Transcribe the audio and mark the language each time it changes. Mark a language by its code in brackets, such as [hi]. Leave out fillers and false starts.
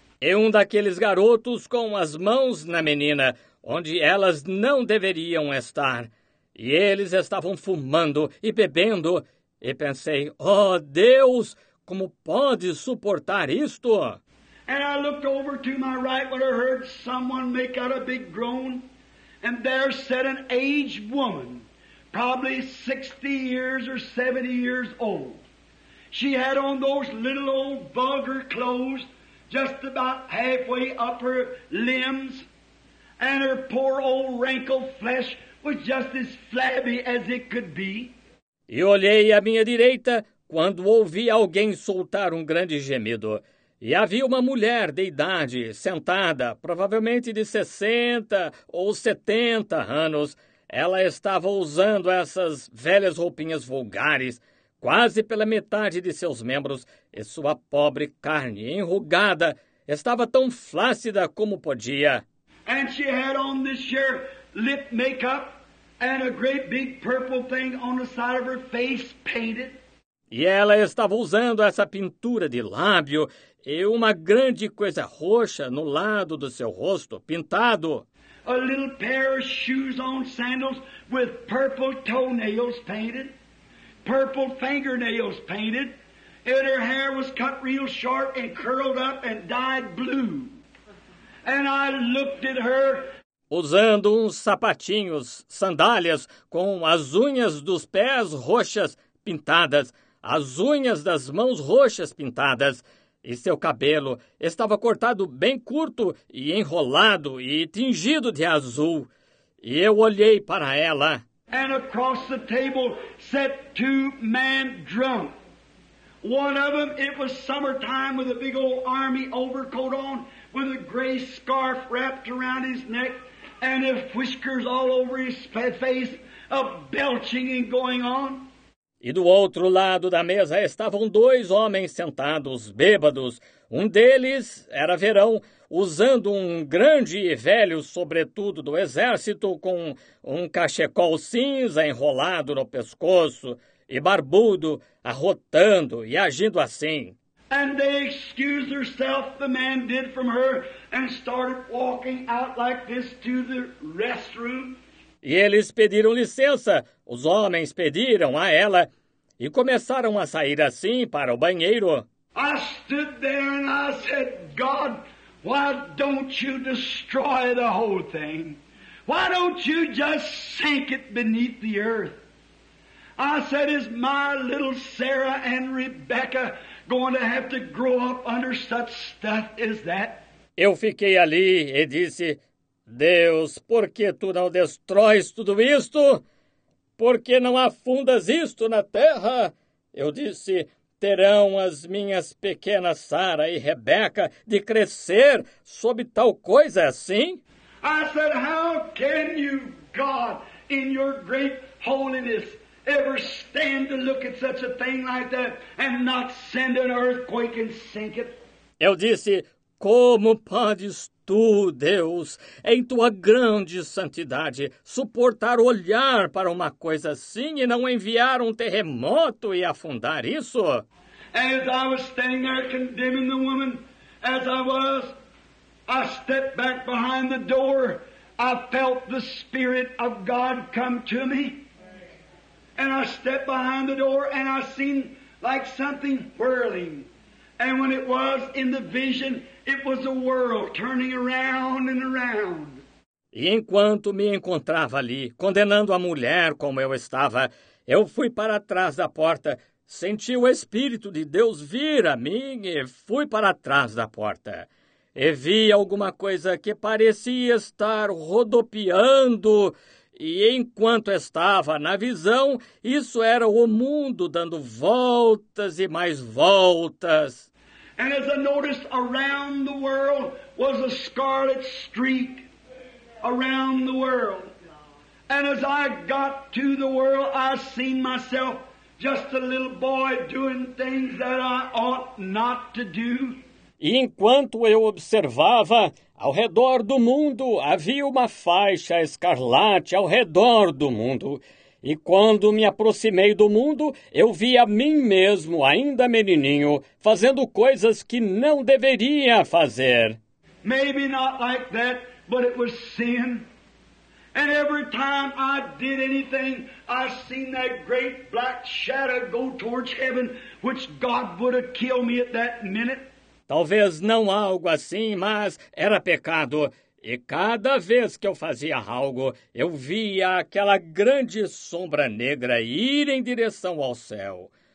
[pt] E um daqueles garotos com as mãos na menina, onde elas não deveriam estar. E eles estavam fumando e bebendo. E pensei, oh Deus, como pode suportar isto? [en] And I looked over to my right when I heard someone make out a big groan. And there sat an aged woman, probably 60 years or 70 years old. She had on those little old vulgar clothes, just about halfway up her limbs, and her poor old wrinkled flesh was just as flabby as it could be. [pt] E olhei à minha direita quando ouvi alguém soltar um grande gemido. E havia uma mulher de idade, sentada, provavelmente de 60 ou 70 anos. Ela estava usando essas velhas roupinhas vulgares, quase pela metade de seus membros, e sua pobre carne enrugada estava tão flácida como podia. [en] And she had on this year lip makeup and a great big purple thing on the side of her face painted. [pt] E ela estava usando essa pintura de lábio e uma grande coisa roxa no lado do seu rosto pintado. [en] A little pair of shoes on sandals with purple toenails painted. Purple fingernails painted, and her hair was cut real short and curled up and dyed blue. And I looked at her. [pt] Usando uns sapatinhos, sandálias, com as unhas dos pés roxas pintadas, as unhas das mãos roxas pintadas, e seu cabelo estava cortado bem curto e enrolado e tingido de azul. E eu olhei para ela. [en] And across the table sat two men drunk. One of them, it was summertime with a big old army overcoat on, with a gray scarf wrapped around his neck, and his whiskers all over his face, a belching and going on. [pt] E do outro lado da mesa estavam dois homens sentados, bêbados. Um deles era verão, usando um grande e velho sobretudo do exército com um cachecol cinza enrolado no pescoço e barbudo, arrotando e agindo assim. [en] And they excused herself, the man did from her, and started walking out like this to the restroom. [pt] E eles pediram licença, os homens pediram a ela, e começaram a sair assim para o banheiro. [en] I stood there and I said, God, why don't you destroy the whole thing? Why don't you just sink it beneath the earth? I said, is my little Sarah and Rebecca going to have to grow up under such stuff as that? [pt] Eu fiquei ali e disse, Deus, por que tu não destróis tudo isto? por que não afundas isto na terra? Eu disse, terão as minhas pequenas Sara e Rebeca de crescer sob tal coisa assim? [en] I said, how can you, God, in your great holiness, ever stand to look at such a thing like that and not send an earthquake and sink it? [pt] Eu disse, como podes tu, Deus, em tua grande santidade, suportar olhar para uma coisa assim e não enviar um terremoto e afundar isso? [en] As I was standing there condemning the woman, as I was, I stepped back behind the door. I felt the Spirit of God come to me. And I stepped behind the door and I seen like something whirling. And when it was in the vision, it was a world turning around and around. [pt] E enquanto me encontrava ali, condenando a mulher como eu estava, eu fui para trás da porta, senti o Espírito de Deus vir a mim e fui para trás da porta. E vi alguma coisa que parecia estar rodopiando. E enquanto estava na visão, isso era o mundo dando voltas e mais voltas. [en] And as I noticed, around the world was a scarlet streak around the world. And as I got to the world, I seen myself just a little boy doing things that I ought not to do. [pt] E enquanto eu observava, ao redor do mundo havia uma faixa escarlate ao redor do mundo. E quando me aproximei do mundo, eu vi a mim mesmo, ainda menininho, fazendo coisas que não deveria fazer. [en] Maybe not like that, but it was sin. And every time I did anything, I seen that great black shadow go towards heaven, which God would have killed me at that minute. [pt] Talvez não algo assim, mas era pecado. E cada vez que eu fazia algo, eu via aquela grande sombra negra ir em direção ao céu.